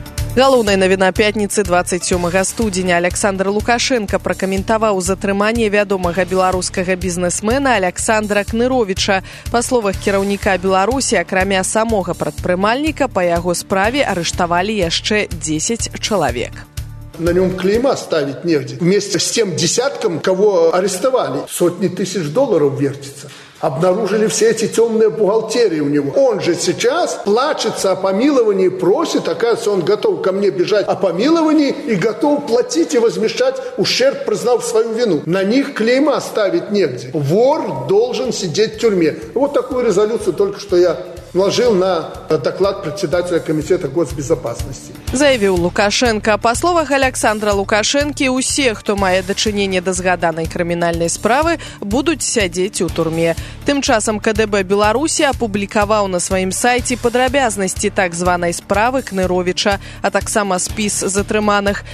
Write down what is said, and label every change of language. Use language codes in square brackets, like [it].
[be] Галоўная навіна пятніцы 27 студзеня. Александр Лукашэнка пракаментаваў затрыманне вядомага беларускага бізнесмена Александра Кнырёвіча. Па словах кіраўніка Беларусі, акрамя самога прадпрымальніка, па яго справе арыштавалі яшчэ 10 чалавек. [ru] На нем клейма ставить негде. Вместе с тем десятком, кого арестовали, сотни тысяч долларов вертится. Обнаружили все эти темные бухгалтерии у него. Он же сейчас плачется о помиловании, просит, оказывается, он готов ко мне бежать о помиловании и готов платить и возмещать ущерб, признав свою вину. На них клейма ставить негде. Вор должен сидеть в тюрьме. Вот такую резолюцию только что я вложил на доклад председателя комитета госбезопасности. [be] Заявіў Лукашэнка. Па словах Александра Лукашэнкі, усе, хто мае дачыненне да згаданай крымінальнай справы, будуць сядзець у турме. Тым часам КДБ Беларусі апублікаваў на сваім сайце падрабязнасці так званай справы Кнырёвіча, а таксама спіс затрыманых.